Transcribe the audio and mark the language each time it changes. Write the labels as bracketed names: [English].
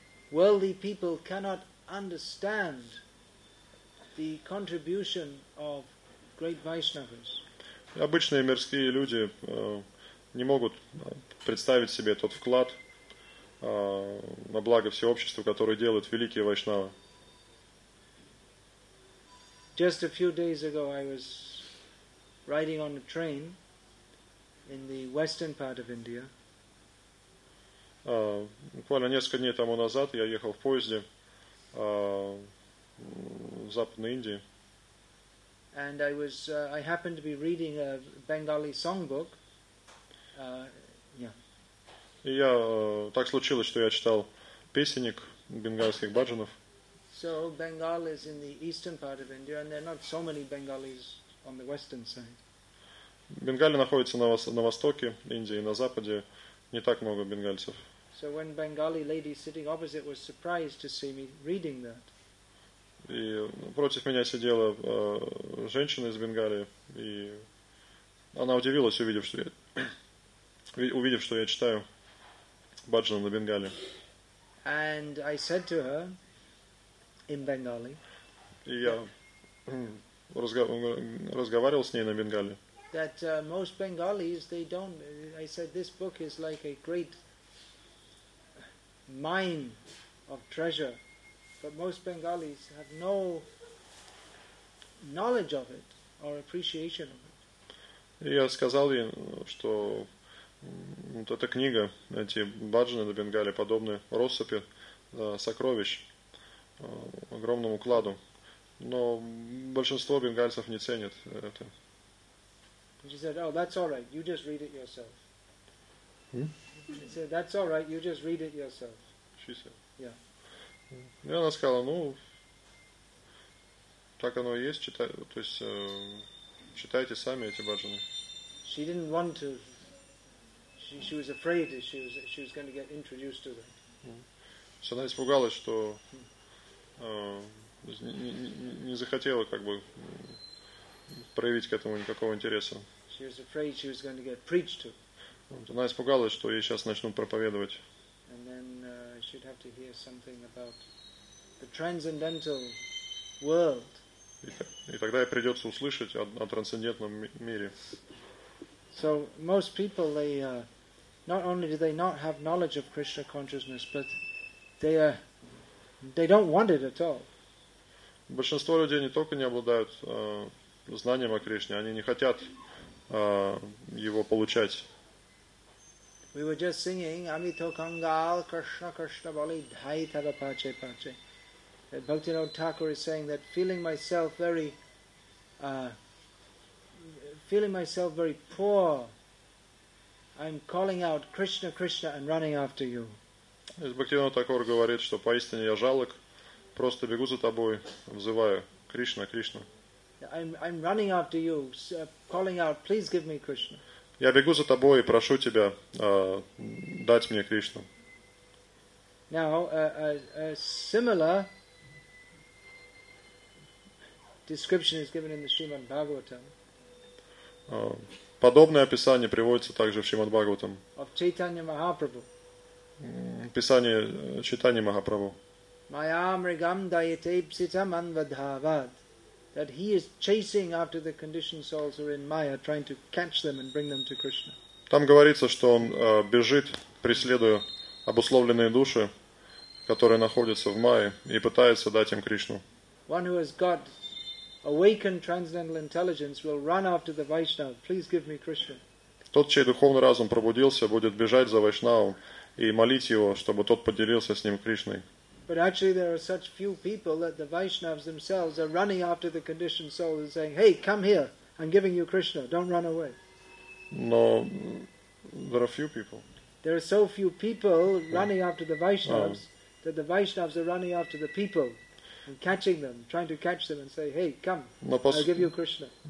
[English] Worldly people cannot understand the contribution of great Vaishnavas. [Russian] Обычные мирские люди не могут представить себе тот вклад на благо всего общества, который делают великие Вайшнавы. [English] Just a few days ago I was riding on a train in the western part of India. [Russian] Буквально несколько дней тому назад я ехал в поезде в Западной Индии. [English] And I happened to be reading a Bengali songbook. [Russian] И я так случилось, что я читал песенник бенгальских баджанов. [English] So Bengal is in the eastern part of India, and there are not so many Bengalis on the western side. [Russian] Бенгали находится на востоке Индии, на западе не так много бенгальцев. [English] So when Bengali lady sitting opposite was surprised to see me reading that. [Russian] И против меня сидела женщина из Бенгалии, и она удивилась, увидев, что я читаю баджан на Бенгали. [English] And I said to her in Bengali. [Russian] И я разговаривал с ней на Бенгали. [English] That most Bengalis, they don't. I said this book is like a great mine of treasure. But most Bengalis have no knowledge of it or appreciation of it. [Russian] Я сказал ей, что вот эта книга, эти баджаны на Бенгале подобны россыпи сокровищ, огромному кладу. Но большинство бенгальцев не ценят это. [English] She said, "Oh, that's all right. You just read it yourself." She said, "That's all right. You just read it yourself." She said. Yeah. [Russian] И она сказала, ну, так оно и есть, читай, то есть читайте сами эти баджаны. [English] She didn't want to. She was afraid that she was going to get introduced to them. [Russian] Она испугалась, что не захотела как бы проявить к этому никакого интереса. [English] She was afraid she was going to get preached to. [Russian] Она испугалась, что ей сейчас начнут проповедовать. [English] And then she'd have to hear something about the transcendental world. [Russian] И тогда ей придется услышать о трансцендентном мире. [English] So most people, they not only do they not have knowledge of Krishna consciousness, but they don't want it at all. [Russian] Большинство людей не только не обладают знанием о Кришне, они не хотят его получать. [English] We were just singing [Bangla] Amito Kangal Krishna Krishna Bali Dhai Tara Pache Pache. [English] Bhaktivinoda Thakur is saying that feeling myself very poor, I'm calling out Krishna Krishna and running after you. [Russian] Бхактивинода Такур говорит, что поистине я жалок, просто бегу за тобой, взываю Кришна, Кришна. [English] I'm running after you, calling out, please give me Krishna. [Russian] Я бегу за тобой и прошу тебя дать мне Кришну. [English] Now a similar description is given in the Shrimad Bhagavatam. [Russian] Подобное описание приводится также в Шримад Бхагаватам. [English] Of Chaitanya Mahaprabhu. [Russian] Писание Чайтаньи Махапрабху. [Sanskrit] Mayamrigam dayate psitam anvadhavad. [English] That he is chasing after the conditioned souls who are in Maya, trying to catch them and bring them to Krishna. [Russian] Там говорится, что он бежит, преследуя обусловленные души, которые находятся в Майе, и пытается дать им Кришну. [English] One who has got awakened transcendental intelligence will run after the Vaishnava. Please give me Krishna. [Russian] Тот, чей духовный разум пробудился, будет бежать за Вайшнавом и молить его, чтобы тот поделился с ним Кришной. [English] But actually there are such few people that the Vaishnavas themselves are running after the conditioned soul and saying, hey, come here, I'm giving you Krishna, don't run away. No, there are few people. There are so few people running after the Vaishnavas that the Vaishnavas are running after the people and catching them, trying to catch them and say, hey, come, I'll give you Krishna.